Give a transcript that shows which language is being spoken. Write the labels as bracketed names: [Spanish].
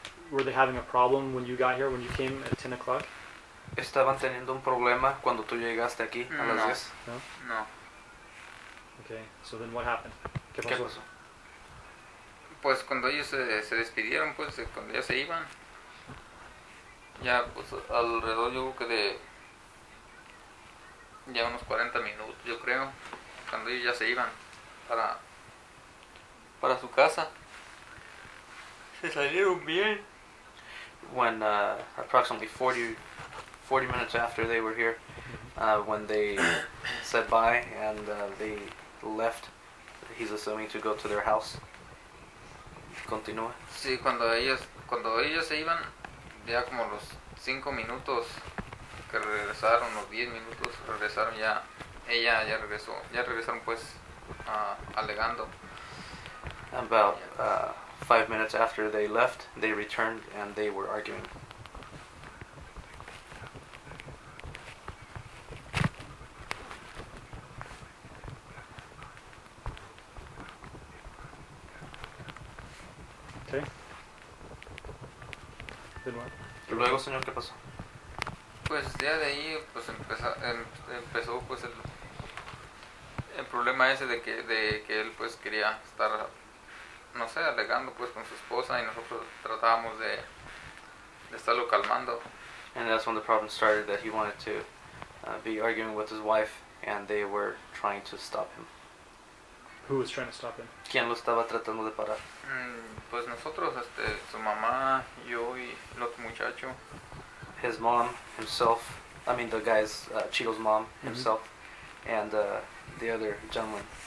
[English] Were they having a problem when you got here, when you came at 10 o'clock? [Spanish] Estaban teniendo un problema cuando tú llegaste aquí a las 10. No. [English] No. Okay, so then what happened? [Spanish] ¿Qué pasó? ¿Qué pasó? Pues cuando ellos se despidieron, pues cuando ya se iban, ya pues alrededor yo creo que de ya unos 40 minutos, yo creo, cuando ellos ya se iban para su casa. Se salieron bien. [English] When approximately 40 minutes after they were here, when they said bye and they left, he's assuming to go to their house. [Spanish] Continúa. Sí, cuando ellos se iban, ya como los 5 minutos que regresaron, los 10 minutos regresaron ya, ella ya regresó, ya regresaron pues alegando. [English] About 5 minutes after they left, they returned and they were arguing. [Spanish] Luego, señor, ¿qué pasó? Pues ya de ahí pues empezó pues el problema ese de que él pues quería estar, no sé, alegando pues con su esposa, y nosotros tratábamos de estarlo calmando. [English] And that's when the problem started, that he wanted to be arguing with his wife and they were trying to stop him. Who was trying to stop him? [Spanish] ¿Quién lo estaba tratando de parar? Pues nosotros, su mamá, yo y el otro muchacho. [English] His mom, himself, I mean the guy's, Chico's mom, himself, and the other gentleman.